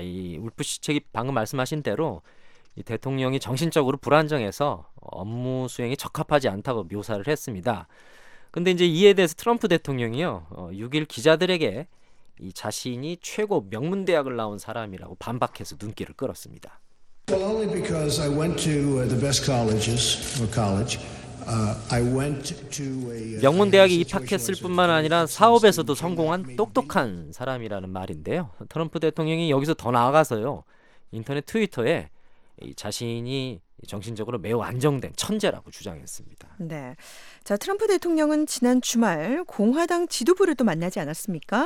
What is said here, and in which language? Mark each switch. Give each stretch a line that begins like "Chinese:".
Korean: 이 울프 씨 책이 방금 말씀하신 대로 이 대통령이 정신적으로 불안정해서 업무 수행에 적합하지 않다고 묘사를 했습니다. 그런데 이제 이에 대해서 트럼프 대통령이요 6일 기자들에게 이 자신이 최고 명문 대학을 나온 사람이라고 반박해서 눈길을 끌었습니다.
English: Well, only because I went to the best colleges or college. I went to a
Korean: 명문 대학에 입학했을 뿐만 아니라 사업에서도 성공한 똑똑한 사람이라는 말인데요. 트럼프 대통령이 여기서 더 나아가서요 인터넷 트위터에 자신이 정신적으로 매우 안정된 천재라고 주장했습니다. 네. 자, 트럼프 대통령은 지난 주말 공화당 지도부를 또 만나지 않았습니까?